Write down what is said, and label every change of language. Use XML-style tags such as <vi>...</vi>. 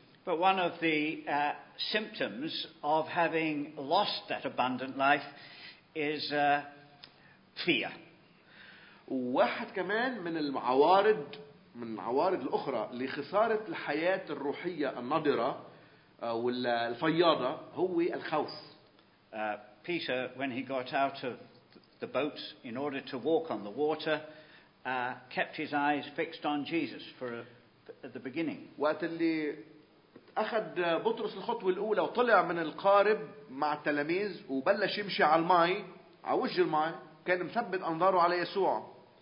<en>But one of the symptoms of having lost that abundant life is fear.</en> <ar>واحد كمان من العوارض الأخرى لخسارة الحياة الروحية النضرة والفياضة هو الخوف.</ar> <en>Peter, when he got out of the boat in order to walk on the water, kept his eyes fixed on Jesus for the beginning.</en> <ar>وقت اللي أخذ بطرس الخطوة الأولى وطلع من القارب مع التلاميذ وبلش يمشي على الماء على وجه الماء, كان مثبت أنظاره على يسوع.</ar>